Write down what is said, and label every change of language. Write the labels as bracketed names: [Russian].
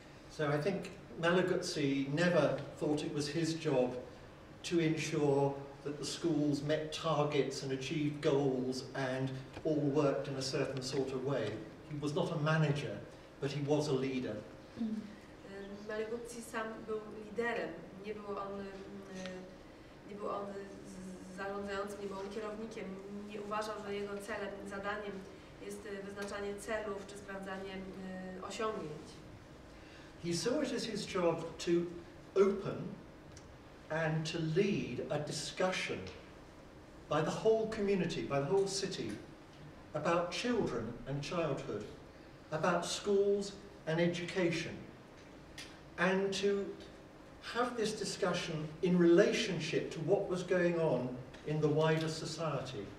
[English] So I think Malagutsi never thought it was his job to ensure that the schools met targets and achieved goals and all worked in a certain sort of way. He was not a manager, but he was a leader. [Polish] Malagutsi sam był liderem. Nie był on, zarządzającym, nie był on kierownikiem. Nie uważał, że jego celem, zadaniem jest wyznaczanie celów czy sprawdzanie osiągnięć. [English] He saw it as his job to open and to lead a discussion by the whole community, by the whole city, about children and childhood, about schools and education, and to have this discussion in relationship to what was going on in the wider society.